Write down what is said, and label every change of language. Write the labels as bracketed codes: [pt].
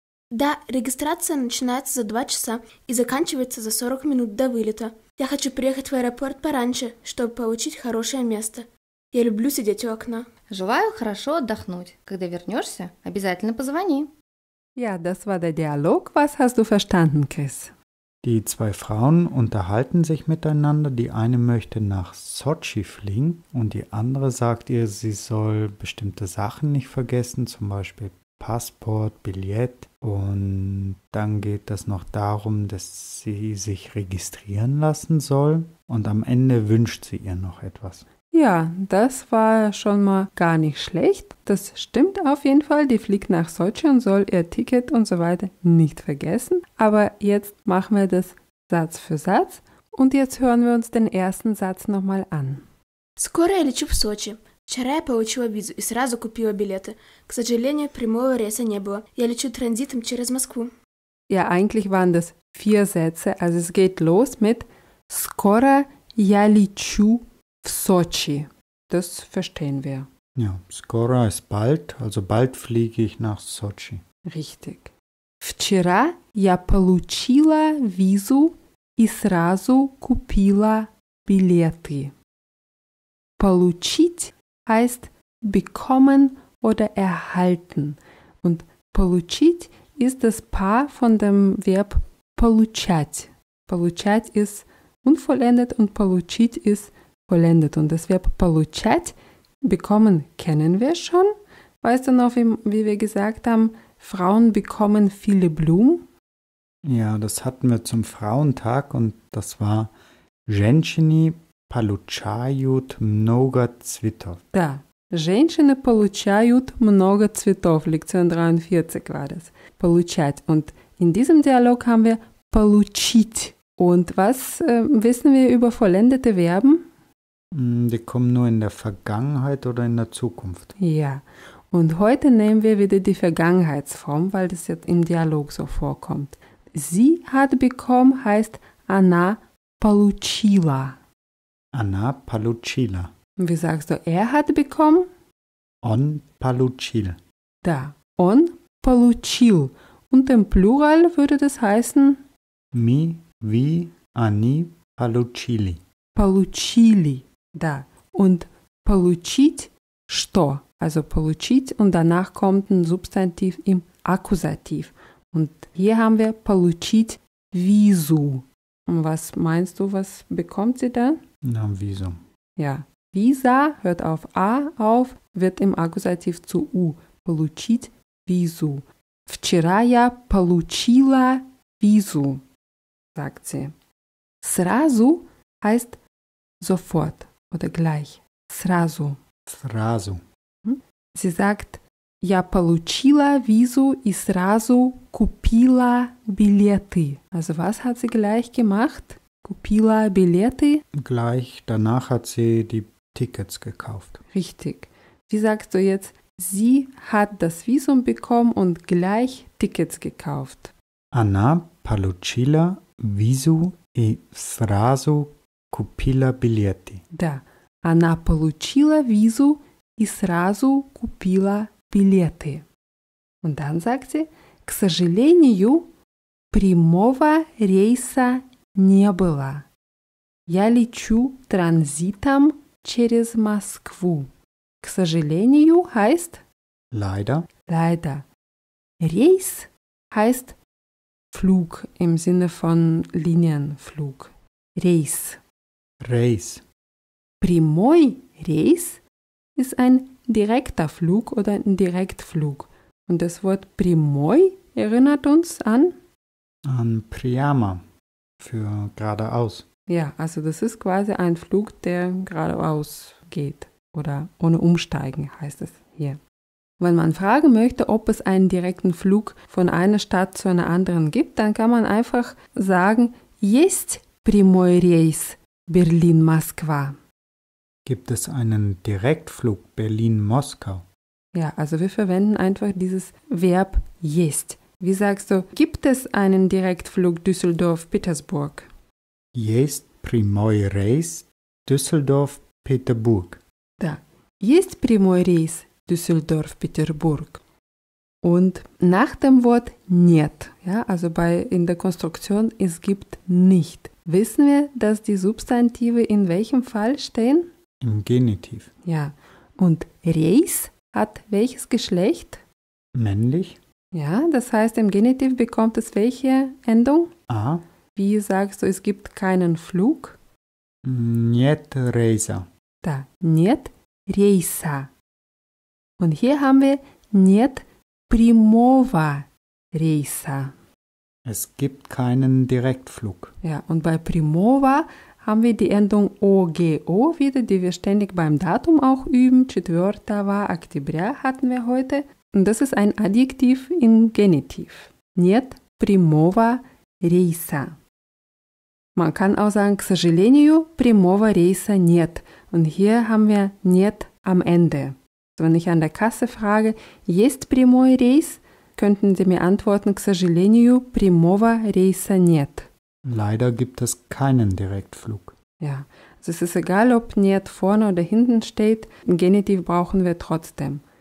[ru] Да, регистрация начинается за 2 часа и заканчивается за 40 минут до вылета. Я хочу приехать в аэропорт пораньше, чтобы получить хорошее место. Я люблю сидеть у окна. Желаю хорошо отдохнуть. Когда вернешься, обязательно позвони. [de] Ja, das war der Dialog. Was hast du verstanden, Chris? Die zwei Frauen unterhalten sich miteinander. Die eine möchte nach Sotschi fliegen und die andere sagt ihr, sie soll bestimmte Sachen nicht vergessen, zum Beispiel Passport, Billett. Und dann geht das noch darum, dass sie sich registrieren lassen soll und am Ende wünscht sie ihr noch etwas. Ja, das war schon mal gar nicht schlecht. Das stimmt auf jeden Fall. Die fliegt nach Sotschi und soll ihr Ticket und so weiter nicht vergessen. Aber jetzt machen wir das Satz für Satz. Und jetzt hören wir uns den ersten Satz nochmal an. [ru] Скоро я лечу в Сочи. Вчера я получила визу и сразу купила билеты. К сожалению, прямого рейса не было. Я лечу транзитом через Москву. [de] Ja, eigentlich waren das 4 Sätze. Also es geht los mit [ru] Скоро я лечу в Сочи. [de] Das verstehen wir. Ja, скоро ist bald, also bald fliege ich nach Сочи. Richtig. [ru] Вчера я получила визу и сразу купила билеты. [de] Получить heißt bekommen oder erhalten. Und получить ist das Paar von dem Verb получать. Получать ist unvollendet und получить ist vollendet. Und das Verb получать, bekommen, kennen wir schon. Weißt du noch, wie wir gesagt haben, Frauen bekommen viele Blumen? Ja, das hatten wir zum Frauentag und das war [ru] женщины получают много цветов. Да, женщины получают много цветов. [de] Lektion 43 war das. Получать. Und in diesem Dialog haben wir получить. Und was wissen wir über vollendete Verben? Die kommen nur in der Vergangenheit oder in der Zukunft. Ja, und heute nehmen wir wieder die Vergangenheitsform, weil das jetzt im Dialog so vorkommt. Sie hat bekommen heißt [ru] она получила. Она получила. [de] Wie sagst du, er hat bekommen? [ru] Он получил. Да, он получил. [de] Und im Plural würde das heißen? [ru] Мы, вы, они получили. Получили. Да. Und получить что? [de] Also получить und danach kommt ein Substantiv im Akkusativ. Und hier haben wir [ru] получить визу. [de] Und was meinst du, was bekommt sie dann? Na, Visum. Ja. Visa hört auf A auf, wird im Akkusativ zu U. [ru] получить визу. Вчера я получила визу, [de] sagt sie. Сразу heißt sofort oder gleich. [ru] Сразу. Сразу. [de] Sie sagt, [ru] я получила визу и сразу купила билеты. [de] Also was hat sie gleich gemacht? [ru] Купила билеты. [de] Gleich danach hat sie die Tickets gekauft. Richtig. Wie sagst du jetzt, sie hat das Visum bekommen und gleich Tickets gekauft? [ru] Она получила визу и сразу купила билеты. Да. Она получила визу и сразу купила билеты. [de] Und dann sagt sie, [ru] к сожалению, прямого рейса не было. Я лечу транзитом через Москву. [de] К сожалению heißt leider. Leider. Рейс heißt Flug im Sinne von Linienflug. [ru] Рейс. Рейс. Прямой рейс [de] ist ein direkter Flug oder ein Direktflug. Und das Wort прямой erinnert uns an? An прямо, für geradeaus. Ja, also das ist quasi ein Flug, der geradeaus geht oder ohne Umsteigen heißt es hier. Wenn man fragen möchte, ob es einen direkten Flug von einer Stadt zu einer anderen gibt, dann kann man einfach sagen, [ru] есть прямой рейс Берлин-Москва. [de] Gibt es einen Direktflug Berlin-Moskau? Ja, also wir verwenden einfach dieses Verb есть. Wie sagst du, gibt es einen Direktflug Düsseldorf-Petersburg? [ru] Есть прямой рейс Düsseldorf-Peterburg. Да, есть прямой рейс Düsseldorf-Peterburg. [de] Und nach dem Wort нет, ja, also bei in der Konstruktion es gibt nicht, wissen wir, dass die Substantive in welchem Fall stehen? Im Genitiv. Ja, und рейс hat welches Geschlecht? Männlich. Ja, das heißt, im Genitiv bekommt es welche Endung? A. Wie sagst du, es gibt keinen Flug? [ru] Нет рейса. Da, нет рейса. [de] Und hier haben wir [ru] нет прямого рейса. [de] Es gibt keinen Direktflug. Ja, und bei прямого haben wir die Endung OGO wieder, die wir ständig beim Datum auch üben. 4. Oktober hatten wir heute. Und das ist ein Adjektiv im Genitiv. [ru] Нет прямого рейса. [de] Man kann auch sagen, [ru] к сожалению, прямого рейса нет. [de] Und hier haben wir нет am Ende. Also wenn ich an der Kasse frage, [ru] есть прямой рейс, [de] könnten Sie mir antworten, [ru] к сожалению, прямого рейса нет. [de] Leider gibt es keinen Direktflug. Ja, also es ist egal, ob нет vorne oder hinten steht, Genitiv brauchen wir trotzdem.